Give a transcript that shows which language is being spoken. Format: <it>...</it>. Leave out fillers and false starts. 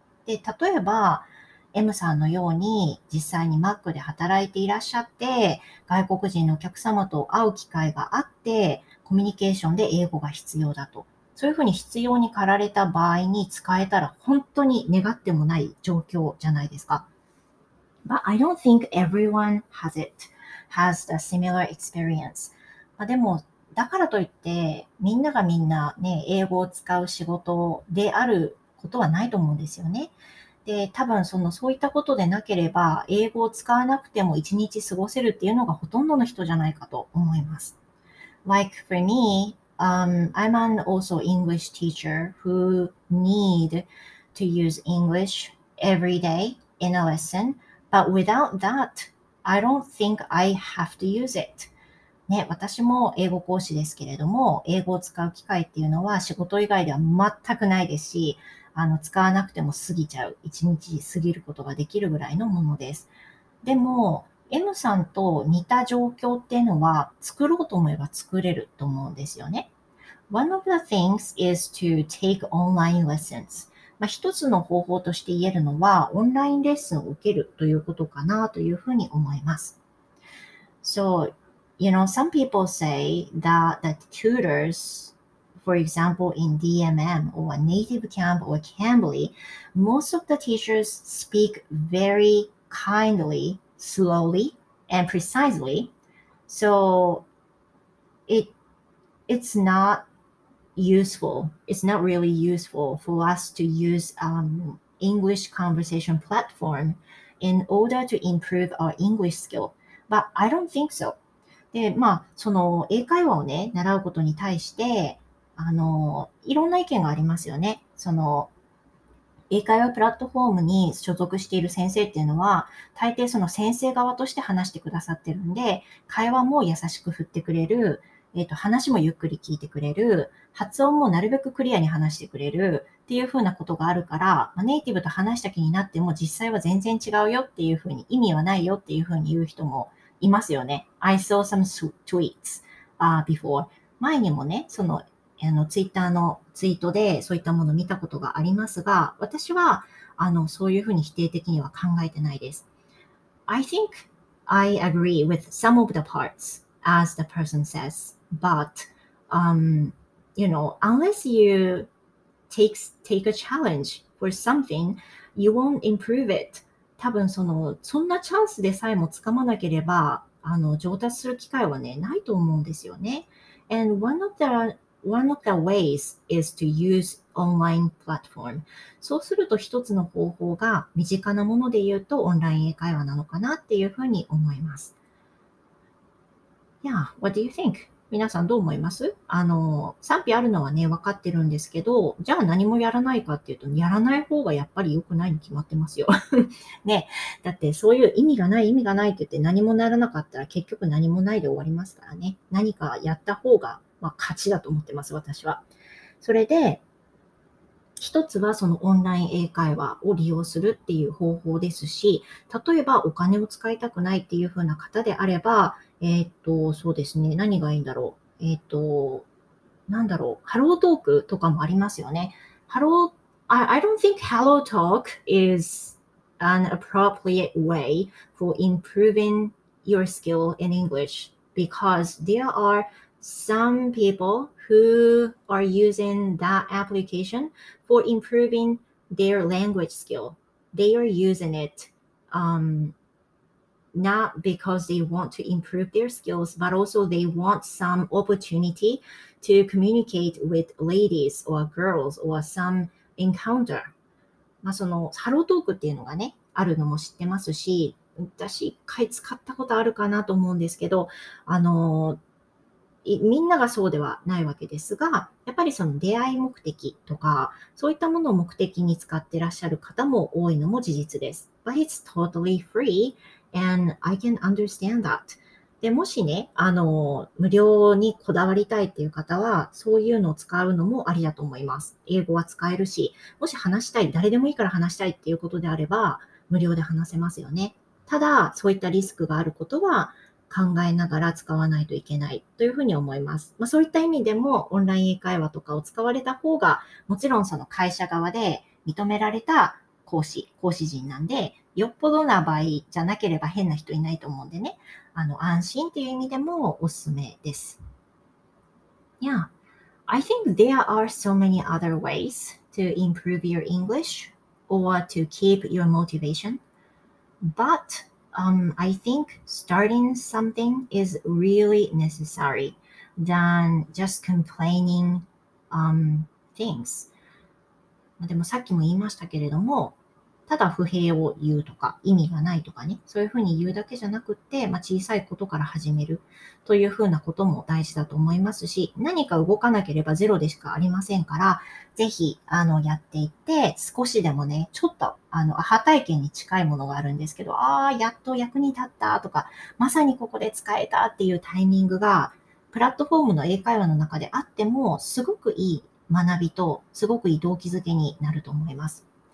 <ja>で、例えば、M さんのように実際に Mac で働いていらっしゃって、外国人のお客様と会う機会があって、コミュニケーションで英語が必要だと。そういうふうに必要に駆られた場合に使えたら本当に願ってもない状況じゃないですか。</ja> <en>But I don't think everyone has a similar experience.</en> <ja>まあでも、だからといって、みんながみんなね、英語を使う仕事であることはないと思うんですよね。で、多分そういったことでなければ、英語を使わなくても一日過ごせるっていうのがほとんどの人じゃないかと思います。</ja> <en>Like for me,I'm an also English teacher who need to use English every day in a lesson. But without that, I don't think I have to use it.</en> <ja>ね、私も英語講師ですけれども、英語を使う機会っていうのは仕事以外では全くないですし、使わなくても過ぎちゃう。一日過ぎることができるぐらいのものです。でも、M さんと似た状況っていうのは作ろうと思えば作れると思うんですよね。</ja> <en>One of the things is to take online lessons.</en> <ja>まあ一つの方法として言えるのはオンラインレッスンを受けるということかなというふうに思います。</ja> <en>So, you know, some people say that the tutors, for example, in DMM or Native Camp or Cambly, most of the teachers speak very kindly. Slowly and precisely, so it's not useful. It's not really useful for us to use English conversation platform in order to improve our English skill. But I don't think so.</en> <ja>で、まあその英会話をね習うことに対して、いろんな意見がありますよね。その英会話プラットフォームに所属している先生っていうのは、大抵その先生側として話してくださってるんで、会話も優しく振ってくれる、話もゆっくり聞いてくれる、発音もなるべくクリアに話してくれるっていうふうなことがあるから、ネイティブと話した気になっても実際は全然違うよっていうふうに、意味はないよっていうふうに言う人もいますよね。</ja> <en>I saw some tweets before.</en> <ja>前にもね、ツイッターのツイートでそういったものを見たことがありますが、私はそういうふうに否定的には考えてないです。</ja> <en>I think I agree with some of the parts, as the person says, but, you know, unless you take a challenge for something, you won't improve it.</en> <ja>多分そんなチャンスでさえもつかまなければ、上達する機会はね、ないと思うんですよね。</ja> <en>And one of the ways is to use online platform.</en> <ja>そうすると一つの方法が身近なもので言うとオンライン英会話なのかなっていうふうに思います。</ja> <en>Yeah, what do you think?</en> <ja>皆さんどう思います？賛否あるのはね、分かってるんですけど、じゃあ何もやらないかっていうと、やらない方がやっぱり良くないに決まってますよ。ね、だってそういう意味がないって言って何もならなかったら結局何もないで終わりますからね。何かやった方がまあ、勝ちだと思ってます、私は。それで、一つはそのオンライン英会話を利用するっていう方法ですし、例えばお金を使いたくないっていう風な方であれば、そうですね、何がいいんだろう。ハロートークとかもありますよね。</ja> <en>I don't think Hello Talk is an appropriate way for improving your skill in English because there areSome people who are using that application for improving their language skill, they are using it, not because they want to improve their skills, but also they want some opportunity to communicate with ladies or girls or some encounter.</en> <ja>まあそのハロートークっていうのがね、あるのも知ってますし、私一回使ったことあるかなと思うんですけど、みんながそうではないわけですが、やっぱりその出会い目的とか、そういったものを目的に使ってらっしゃる方も多いのも事実です。</ja> <en>But it's totally free and I can understand that.</en> <ja>で、もしね、無料にこだわりたいっていう方は、そういうのを使うのもありだと思います。英語は使えるし、もし話したい、誰でもいいから話したいっていうことであれば、無料で話せますよね。ただ、そういったリスクがあることは、考えながら使わないといけないというふうに思います。まあそういった意味でもオンライン英会話とかを使われた方がもちろんその会社側で認められた講師陣なんでよっぽどな場合じゃなければ変な人いないと思うんでね。安心っていう意味でもおすすめです。</ja> <en>Yeah, I think there are so many other ways to improve your English or to keep your motivation, but I think starting something is really necessary than just complaining things.</en> <ja>でもさっきも言いましたけれども、ただ不平を言うとか意味がないとかね、そういうふうに言うだけじゃなくって、まあ、小さいことから始めるというふうなことも大事だと思いますし、何か動かなければゼロでしかありませんから、ぜひやっていって、少しでもね、ちょっとアハ体験に近いものがあるんですけど、ああ、やっと役に立ったとか、まさにここで使えたっていうタイミングが、プラットフォームの英会話の中であっても、すごくいい学びと、すごくいい動機づけになると思います。</ja>